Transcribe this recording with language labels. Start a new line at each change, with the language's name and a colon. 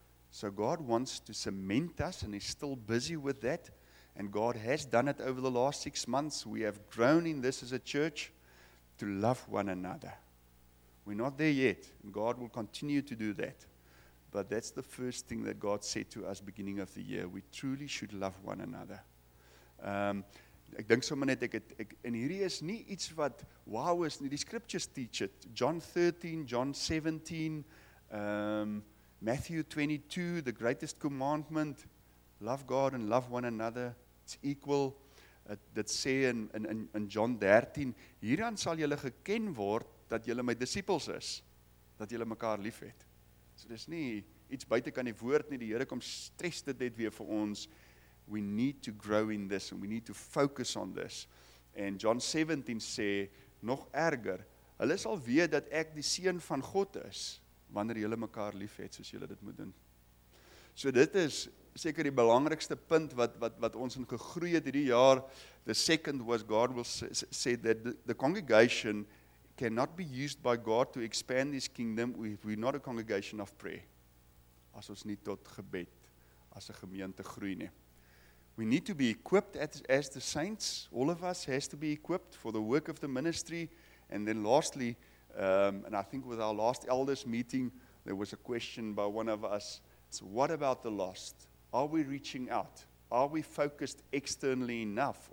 English: So God wants to cement us, and he's still busy with that. And God has done it over the last 6 months. We have grown in this as a church, to love one another. We're not there yet. God will continue to do that. But that's the first thing that God said to us beginning of the year. We truly should love one another.
Afrikaans: Ek dink sommer net, en hierdie is nie iets wat wow is nie. Die
English: scriptures teach it. John 13, John 17, Matthew 22, the greatest commandment. Love God and love one another. It's equal.
Afrikaans: Dit sê in John 13, hieraan sal julle geken word, dat julle my disippels is, dat julle mekaar lief het. So dis nie iets buite kan die woord nie, die Here kom stres dit net weer vir ons.
English: We need to grow in this, and we need to focus on this.
Afrikaans: En John 17 sê, nog erger, hulle sal weet dat ek die seun van God is, wanneer julle mekaar lief het, soos julle dit moet doen. So dit is seker die belangrikste punt wat ons in gegroei het hierdie jaar.
English: The second was God will say that the congregation cannot be used by God to expand his kingdom if we're not a congregation of prayer.
Afrikaans: As ons nie tot gebed, as 'n gemeente groei nie.
English: We need to be equipped as the saints. All of us has to be equipped for the work of the ministry. And then lastly, and I think with our last elders meeting, there was a question by one of us. So what about the lost? Are we reaching out? Are we focused externally enough?